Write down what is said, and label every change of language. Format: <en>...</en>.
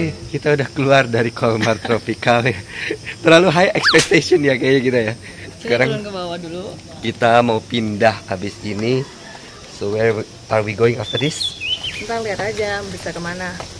<id>Kita udah keluar dari Colmar Tropicale. Terlalu</id> <en>high expectation</en> <id>ya kayaknya kita ya. Sekarang turun ke bawah dulu. Kita mau pindah habis ini.</id> <en>So where are we going after this?</en> <id>Kita lihat aja bisa kemana.</id>